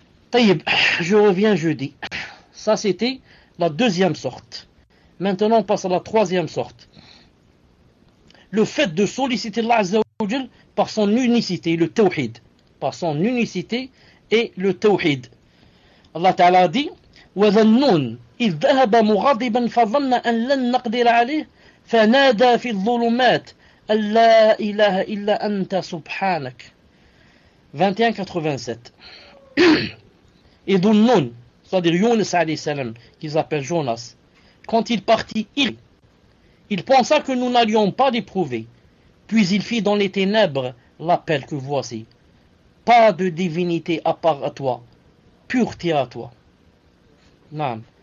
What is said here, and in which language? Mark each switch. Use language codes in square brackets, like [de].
[fr] Taïb, je reviens jeudi. Ça, c'était la deuxième sorte. Maintenant, on passe à la troisième sorte. Le fait de solliciter Allah Azza wa Jal par son unicité, le tawhid. Par son unicité et le tawhid. Allah Ta'ala dit, [ar] وَذَا النُّونَ إذ ذهب مغاضبا فظن أن لن نقدر عليه، فنادى في الظلمات أن لا إله إلا أنت سبحانك. [fr] 21-87 [ar] يظنون، [fr] c'est-à-dire [ar] يونس عليه السلام [fr] qu'ils appellent Jonas, quand il partit, il pensa que nous n'allions pas l'éprouver. Puis il fit dans les ténèbres l'appel que voici. Pas de divinité à part à toi, pureté à toi. Non.